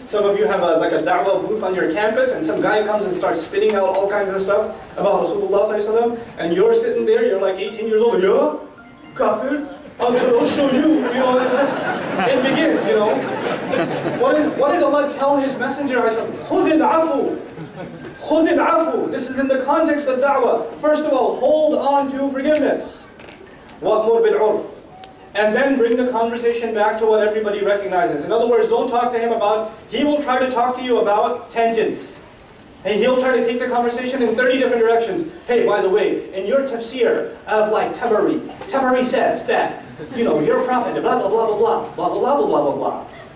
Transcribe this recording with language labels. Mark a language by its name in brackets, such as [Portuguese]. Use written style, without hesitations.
[English] Some of you have like a da'wah booth on your campus and some guy comes and starts spitting out all kinds of stuff about Rasulullah ﷺ, and you're sitting there, you're like 18 years old, yeah? Kafir? I'll show you, you know, it just, it begins, you know. What did Allah tell His Messenger? I said, [Arabic] خُذِ الْعَفُوْ خُذِ الْعَفُوْ. [English] This is in the context of da'wah. First of all, hold on to forgiveness. [Arabic] وَأْمُرْ بِالْعُرْفِ. [English] And then bring the conversation back to what everybody recognizes. In other words, don't talk to him about, he will try to talk to you about tangents. And he'll try to take the conversation in 30 different directions. Hey, by the way, in your tafsir of like Tabari says that, you know, your Prophet, blah, blah, blah, blah, blah, blah, blah, blah, blah, blah, blah, blah.